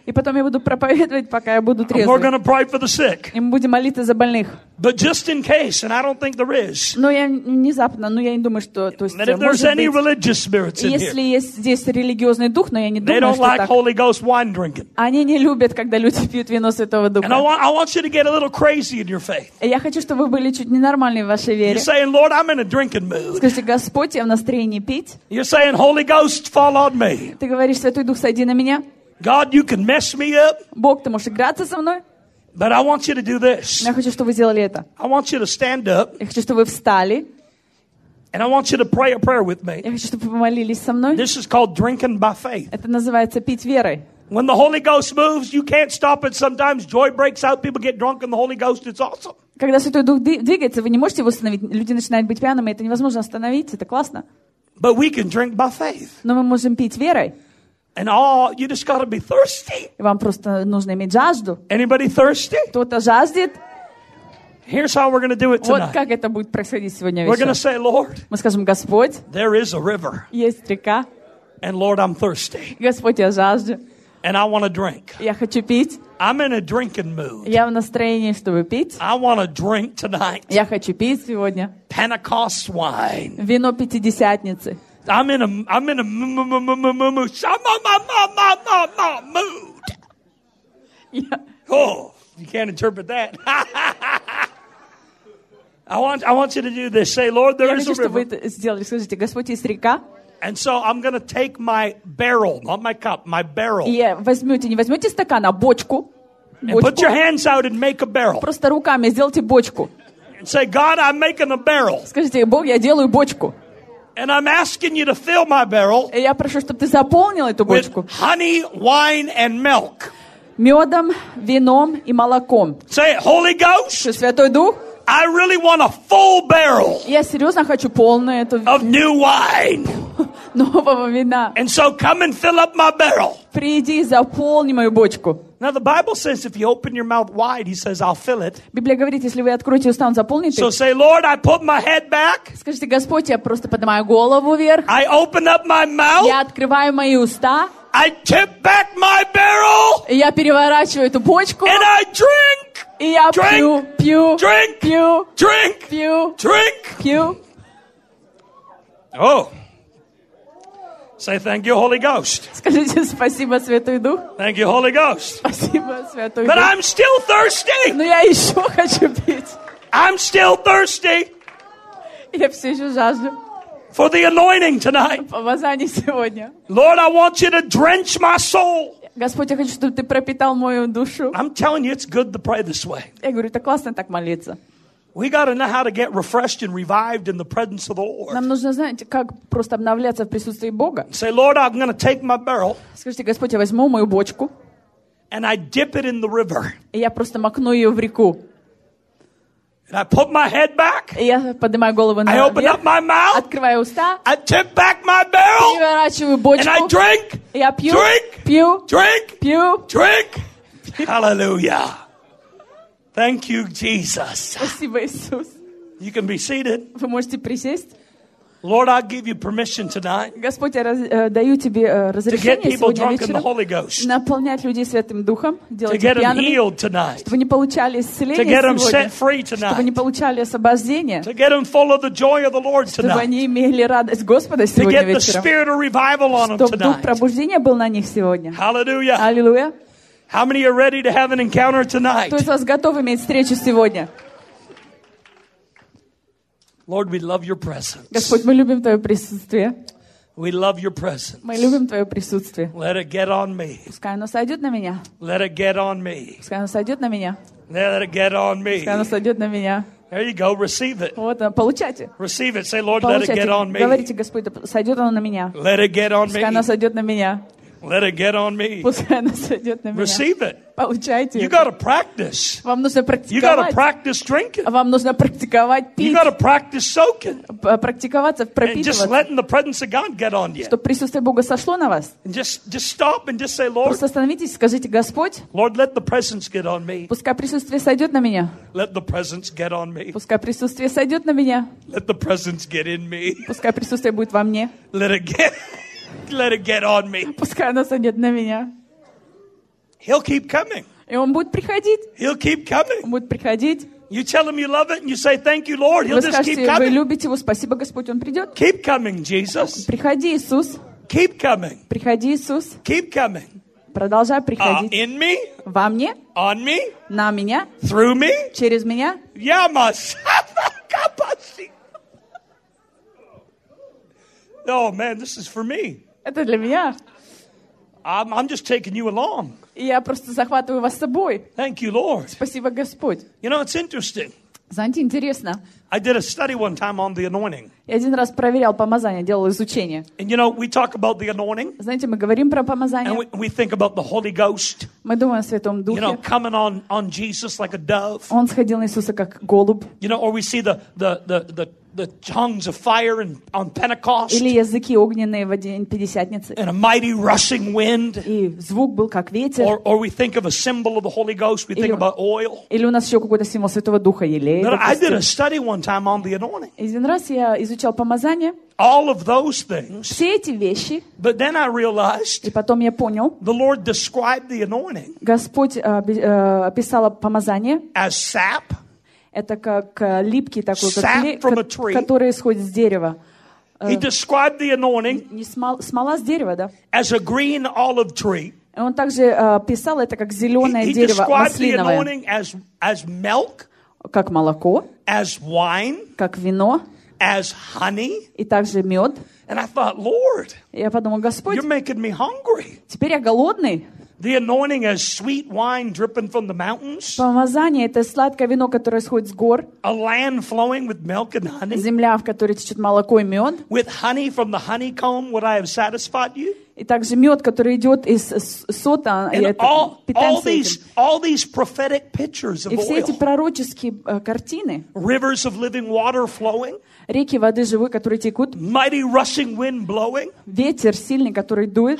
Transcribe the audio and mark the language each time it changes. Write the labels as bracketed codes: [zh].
[ru] И потом я буду проповедовать, пока я буду трезвый. [en] We're going to pray for the sick. [ru] И мы будем молиться за больных. [en] But just in case, and I don't think there is. [ru] Но я внезапно, но я не думаю, что, то есть, [en] if there's any religious spirits in here. [ru] Если есть здесь религиозный дух, но я не думаю, что так. [en] like Holy Ghost wine drinking. [ru] Они не любят, когда люди пьют вино Святого Духа. [en] And I want you to get a little crazy in your faith. [ru] Я хочу, чтобы вы были чуть ненормальны в вашей вере. [en] You're saying, Lord, I'm in a drinking mood. [ru] Скажите, Господь, я в настроении пить. [en] You're saying, Holy Ghost, fall on me. [ru] Ты говоришь, Святой Дух, сойди на меня. [en] God, you can mess me up. [ru] Бог, ты можешь играться со мной. [en] But I want you to do this. [ru] Я хочу, чтобы вы сделали это. [en] I want you to stand up. [ru] Я хочу, чтобы вы встали. [en] And I want you to pray a prayer with me. [ru] Я хочу, чтобы вы помолились со мной. [en] This is called drinking by faith. [ru] Это называется пить верой. [en] When the Holy Ghost moves, you can't stop it. Sometimes joy breaks out. People get drunk in the Holy Ghost. It's awesome. [ru] Когда Святой Дух двигается, вы не можете его остановить. Люди начинают быть пьяными, это невозможно остановить, это классно. [en] But we can drink by faith. [ru] Но мы можем пить верой. [en] And all, you just gotta be thirsty. [ru] И вам просто нужно иметь жажду. [en] Anybody thirsty? [ru] Кто-то жаждет? [en] Here's how we're gonna do it tonight. [ru] Вот как это будет происходить сегодня вечером. [en] We're gonna say, Lord. [ru] Мы скажем, Господь. [en] There is a river. [ru] Есть река. [en] And Lord, I'm thirsty. [ru] Господь, я жажду. [en] And I want to drink. [ru] Я хочу пить. [en] I'm in a drinking mood. [ru] Я в настроении, чтобы пить. [en] I want to drink tonight. [ru] Я хочу пить сегодня. [en] Pentecost wine. [ru] Вино пятидесятницы. [en] I'm in a mood. Oh, you can't interpret that. I want you to do this. Say, Lord, there is a river. [ru] Я хочу, чтобы вы это сделали. Скажите, Господь, есть река. [en] And so I'm going to take my barrel, not my cup, my barrel. [ru] И возьмете, не возьмете стакан, а бочку. [en] Put your hands out and make a barrel. [ru] Просто руками сделайте бочку. [en] And say, God, I'm making a barrel. [ru] Скажите, Бог, я делаю бочку. [en] And I'm asking you to fill my barrel. [ru] И я прошу, чтобы ты заполнил эту бочку. [en] With honey, wine, and milk. [ru] Медом, вином и молоком. [en] Say, Holy Ghost. [ru] Святой Дух. [en] I really want a full barrel. [ru] Я серьезно хочу полную эту. [en] Of new wine. [ru] Нового вина. [en] And so come and fill up my barrel. [ru] Приди, заполни мою бочку. [en] Now the Bible says if you open your mouth wide, he says I'll fill it. [ru] Библия говорит, если вы откроете уста, он заполнит их. [en] So say, Lord, I put my head back. [ru] Скажите, Господь, я просто поднимаю голову вверх. [en] I open up my mouth. [ru] Я открываю мои уста. [en] I tip back my barrel. [ru] Я переворачиваю эту бочку. [en] And I drink. [ru] И я [en] drink, [ru] пью, пью, [en] drink, [ru] пью, [en] drink, [ru] пью, [en] drink, [ru] пью. [en] Oh. Say thank you, Holy Ghost. [ru] Скажите спасибо, Святой Дух. [en] Thank you, Holy Ghost. [ru] Спасибо, Святой Дух. [en] But I'm still thirsty. [ru] Но я еще хочу пить. [en] I'm still thirsty. [ru] Я все еще жажду. [en] For the anointing tonight. [ru] Помазание сегодня. [en] Lord, I want you to drench my soul. [ru] Господь, я хочу, чтобы ты пропитал мою душу. [en] I'm telling you, it's good to pray this way. [ru] Я говорю, это классно так молиться. [en] We got to know how to get refreshed and revived in the presence of the Lord. [ru] Нам нужно знать, как просто обновляться в присутствии Бога. [en] Say, Lord, I'm going to take my barrel. [ru] Скажите, Господь, я возьму мою бочку. [en] And I dip it in the river. [ru] И я просто макну ее в реку. [en] And I put my head back. [ru] И я поднимаю голову на вверх. [en] I open up my mouth. [ru] Открываю уста. [en] I tip back my barrel. [ru] И переворачиваю бочку. [en] And I drink. [ru] И я пью. [en] Drink. [ru] Пью. [en] Drink. [ru] Пью. [en] Drink. Hallelujah. Thank you, Jesus. [ru] Спасибо, Иисус. [en] You can be seated. [ru] Вы можете присесть. [en] Lord, I give you permission tonight. [ru] Господь, я даю тебе разрешение [en] to get people [ru] сегодня [en] drunk [ru] вечером [en] in the Holy Ghost. [ru] Наполнять людей Святым Духом, делать [en] to get [ru] пьяными, [en] them healed tonight. [ru] Чтобы они получали исцеление [en] to get them [ru] сегодня, [en] set free tonight. [ru] Чтобы они получали освобождение, [en] to get them full of the joy of the Lord tonight. [ru] Чтобы они имели радость Господа сегодня [en] to get [ru] вечером. [en] The spirit of revival on [ru] чтобы [en] them [ru] дух пробуждения был на них сегодня. [en] Hallelujah. Hallelujah. How many are ready to have an encounter tonight? [ru] Кто из вас готов иметь встречу сегодня? [en] Lord, we love your presence. [ru] Господь, мы любим твое присутствие. [en] We love your presence. [ru] Мы любим твое присутствие. [en] Let it get on me. [ru] Пускай оно сойдет на меня. [en] Let it get on me. [ru] Пускай оно сойдет на меня. [en] Let it get on me. [ru] Пускай оно сойдет на меня. [en] There you go, receive it. [ru] Вот оно, получайте. [en] Receive it. Say, Lord, let it get on me. [ru] Говорите, Господь, сойдет оно на меня. [en] Let it get on me. [ru] Пускай оно сойдет на меня. [en] Let it get on me. [ru] Пускай оно сойдет на меня. [en] Receive it. [ru] Получайте. [en] You gotta practice. [ru] Вам нужно практиковать. [en] You gotta practice drinking. [ru] Вам нужно практиковать пить. [en] You gotta practice soaking. [ru] Практиковаться, пропитываться. [en] And just letting the presence of God get on you. [ru] Чтоб присутствие Бога сошло на вас. [en] Just stop and just say, Lord. [ru] Просто остановитесь, скажите, Господь. [en] Lord, let the presence get on me. [ru] Пускай присутствие сойдет на меня. [en] Let the presence get on me. [ru] Пускай присутствие сойдет на меня. [en] Let the presence get in me. [ru] Пускай присутствие будет во мне. [en] Let it get. Let it get on me. [ru] Пускай оно сойдет на меня. [en] He'll keep coming. [ru] И он будет приходить. [en] He'll keep coming. [ru] Он будет приходить. [en] You tell him you love it and you say thank you, Lord. He'll just keep coming. [ru] Вы любите его, спасибо, Господь, он придет. [en] Keep coming, Jesus. [ru] Приходи, Иисус. [en] Keep coming. [ru] Приходи, Иисус. [en] Keep coming. [ru] Продолжай приходить. [en] In me. [ru] Во мне. [en] On me. [ru] На меня. [en] Through me. [ru] Через меня. Я масса капаси. [en] Oh man, this is for me. [ru] Это для меня. [en] I'm just taking you along. [ru] Я просто захватываю вас с собой. [en] Thank you, Lord. [ru] Спасибо, Господь. [en] You know, it's interesting. [ru] Знаете, интересно. [en] I did a study one time on the anointing. [ru] Я один раз проверял помазание, делал изучение. [en] And you know, we talk about the anointing. [ru] Знаете, мы говорим про помазание. [en] And we think about the Holy Ghost. [ru] Мы думаем о Святом Духе. [en] You know, coming on Jesus like a dove. [ru] Он сходил на Иисуса как голубь. [en] You know, or we see the tongues of fire and on Pentecost. [ru] Или языки огненные в день Пятидесятницы. [en] And a mighty rushing wind. [ru] И звук был как ветер. [en] Or we think of a symbol of the Holy Ghost. We think about oil. [ru] Или у нас еще какой-то символ Святого Духа, елей. [en] But I did a study one time on the anointing. [ru] Один раз я изучал помазание. [en] All of those things. [ru] Все эти вещи. [en] But then I realized. [ru] И потом я понял. [en] The Lord described the anointing. [ru] Господь описал помазание. [en] As sap. [ru] Это как липкий такой, как который исходит с дерева. [en] He described the anointing [ru] смола с дерева, да? [en] As a green olive tree. [ru] И он также писал это как зеленое дерево, масляное. [en] The anointing as milk. [ru] Как молоко. [en] As wine. [ru] Как вино. [en] As honey. [ru] И также мед. [en] And I thought, Lord. [ru] Я подумал, Господь. [en] You're making me hungry. [ru] Теперь я голодный. [en] The anointing as sweet wine dripping from the mountains. [ru] Помазание — это сладкое вино, которое исходит с гор. [en] A land flowing with milk and honey. [ru] Земля, в которой течет молоко и мед. [en] With honey from the honeycomb, would I have satisfied you? [ru] И также мед, который идет из сота, [en] all these prophetic pictures of oil. [ru] И все эти пророческие картины. [en] Rivers of living water flowing. [ru] Реки воды живой, которые текут. [en] Mighty rushing wind blowing. [ru] Ветер сильный, который дует.